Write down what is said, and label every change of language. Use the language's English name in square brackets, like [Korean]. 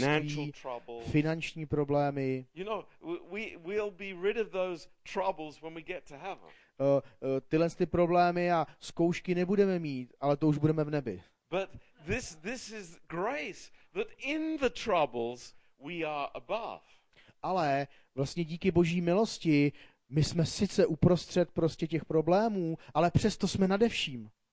[English] Financial troubles. [Czech] Finanční problémy. [English] You know, we'll be rid of those troubles when we get to heaven. [Czech] Tyhle ty problémy a zkoušky nebudeme mít, ale to už budeme v nebi. [English] But this is grace that in the troubles we are above. [Czech] Ale vlastně díky Boží milosti my jsme sice uprostřed prostě těch problémů, ale přesto jsme nade vším.